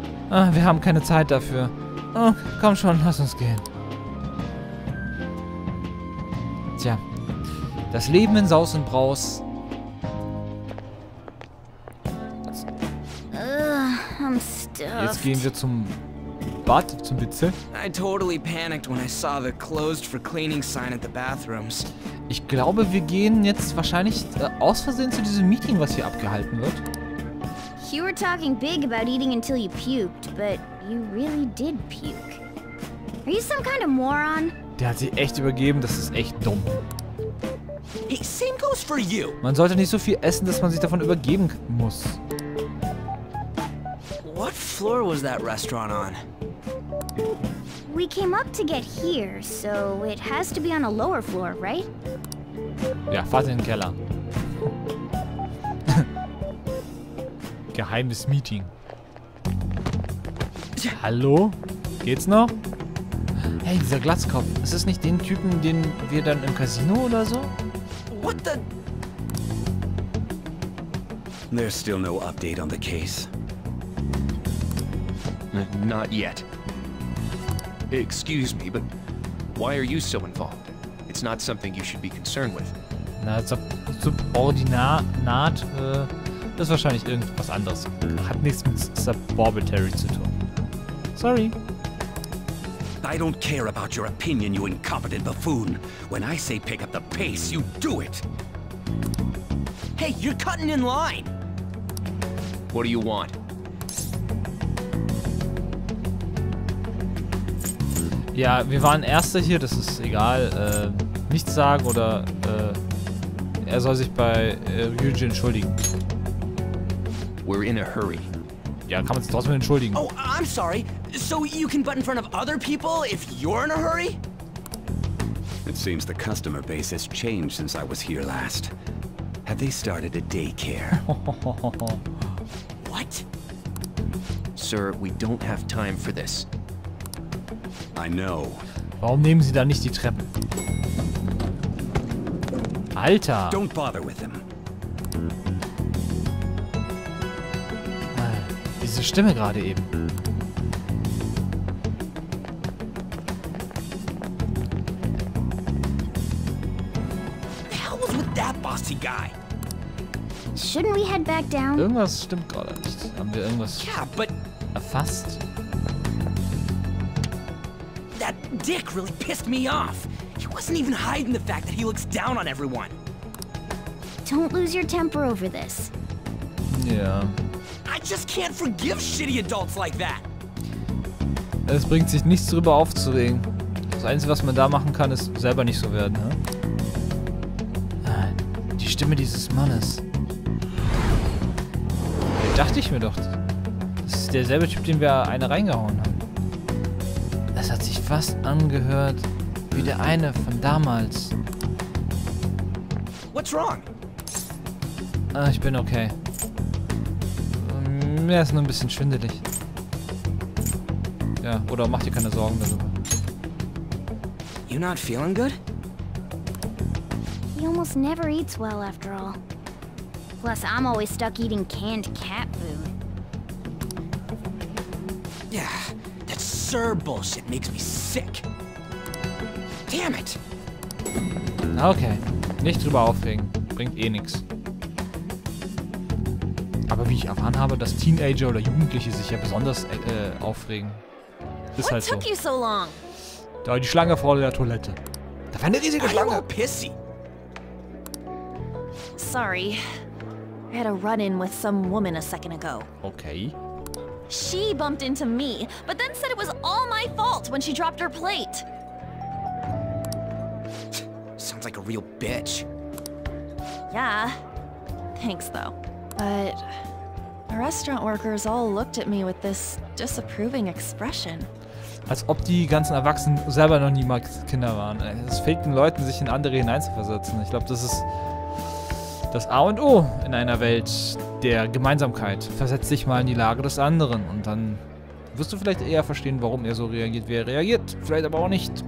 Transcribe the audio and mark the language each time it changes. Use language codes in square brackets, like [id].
[de] Ah, wir haben keine Zeit dafür. Oh, komm schon, lass uns gehen. Tja, das Leben in Saus und Braus. Jetzt gehen wir zum Bad, zum Bezirk. [en] I totally panicked when I saw the closed for cleaning sign at the bathrooms. [de] Ich glaube, wir gehen jetzt wahrscheinlich aus Versehen zu diesem Meeting, was hier abgehalten wird. [en] You were talking big about eating until you puked, but you really did puke. Are you some kind of moron? [de] Der hat sich echt übergeben, das ist echt dumm. [en] Hey, same goes for you. [de] Man sollte nicht so viel essen, dass man sich davon übergeben muss. [en] What floor was that restaurant on? We came up to get here, so it has to be on a lower floor, right? [de] Ja, fahrt in den Keller. Geheimes Meeting. Hallo? Geht's noch? Hey, dieser Glatzkopf. Ist das nicht den Typen, den wir dann im Casino oder so? [en] What the? There's still no update on the case. Not yet. Excuse me, but why are you so involved? It's not something you should be concerned with. [de] Na, Subordinat, das ist wahrscheinlich irgendwas anderes. Hat nichts mit Suborbitary zu tun. [en] Sorry. I don't care about your opinion, you incompetent buffoon. When I say pick up the pace, you do it. Hey, you're cutting in line. What do you want? [de] Ja, wir waren Erste hier, das ist egal. Nichts sagen oder er soll sich bei Yuji entschuldigen. [en] We're in a hurry. [de] Ja, kann man sich trotzdem entschuldigen. [en] Oh, I'm sorry. So you can butt in front of other people if you're in a hurry? It seems the customer base has changed since I was here last. Have they started a daycare? What? Sir, we don't have time for this. I know. [de] Warum nehmen Sie da nicht die Treppen? Alter! [en] Don't bother with him. [de] Diese Stimme gerade eben. [en] The hell was with that bossy guy? Shouldn't we head back down? [de] Irgendwas stimmt gerade nicht. Haben wir irgendwas erfasst? [en] That dick really pissed me off. He wasn't even hiding the fact that he looks down on everyone. Don't lose your temper over this. Yeah. I just can't forgive shitty adults like that. [de] Es bringt sich nichts darüber aufzuregen. Das Einzige, was man da machen kann, ist selber nicht so werden, ne? Die Stimme dieses Mannes. Ja, dachte ich mir doch. Das ist derselbe Typ, den wir eine reingehauen haben. Das hat sich fast angehört wie der eine von damals. [en] What's wrong? [de] Ah, ich bin okay. Mir ist nur ein bisschen schwindelig. Ja, oder mach dir keine Sorgen darüber. [en] You not feeling good? He almost never eats well after all. Plus, I'm always stuck eating canned cat food. Yeah, that sir bullshit makes me sick. Damn it! [de] Okay, nicht drüber aufregen. Bringt eh nix. Aber wie ich erfahren habe, dass Teenager oder Jugendliche sich ja besonders aufregen. Ist halt so. [en] What took you so long? [de] Da die Schlange vor der Toilette. Da war eine riesige Schlange. [en] I'm a pissy. Sorry. I had a run-in with some woman a second ago. Okay. She bumped into me, but then said it was all my fault when she dropped her plate. Sounds like a real bitch. Yeah. Thanks, though. But the restaurant workers all looked at me with this disapproving expression. [de] Als ob die ganzen Erwachsenen selber noch nie mal Kinder waren. Es fehlt den Leuten, sich in andere hineinzuversetzen. Ich glaube, das ist das A und O in einer Welt der Gemeinsamkeit. Versetz dich mal in die Lage des anderen und dann wirst du vielleicht eher verstehen, warum er so reagiert, wie er reagiert. Vielleicht aber auch nicht.